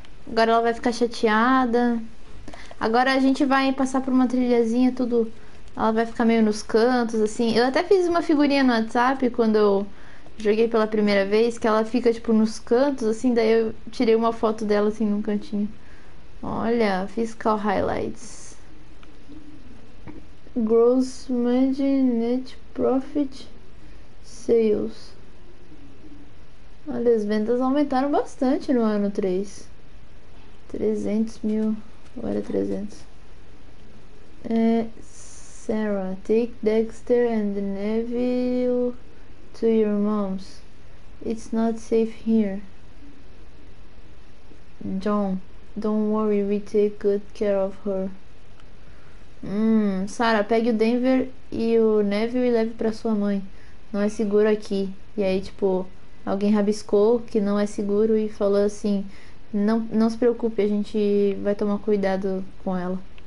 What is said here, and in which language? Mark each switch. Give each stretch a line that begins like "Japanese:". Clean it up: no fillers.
Portuguese: Agora ela vai ficar chateada. Agora a gente vai passar por uma trilhazinha, tudo. Ela vai ficar meio nos cantos, assim. Eu até fiz uma figurinha no WhatsApp quando eu joguei pela primeira vez, que ela fica, tipo, nos cantos, assim. Daí eu tirei uma foto dela, assim, num cantinho. Olha,
English: Physical Highlights. Gross Margin Net Profit Sales.
Portuguese: Olha, as vendas aumentaram bastante no ano 3. 300 mil. Agora 300.
English: É, Sarah, take Dexter and Neville to your mom's. It's not safe here. John, don't worry, we take good care of her.
Portuguese: Sarah, pegue o Denver e o Neville e leve pra sua mãe. Não é seguro aqui. E aí, tipo, alguém rabiscou que não é seguro e falou assim: não, não se preocupe, a gente vai tomar cuidado com ela.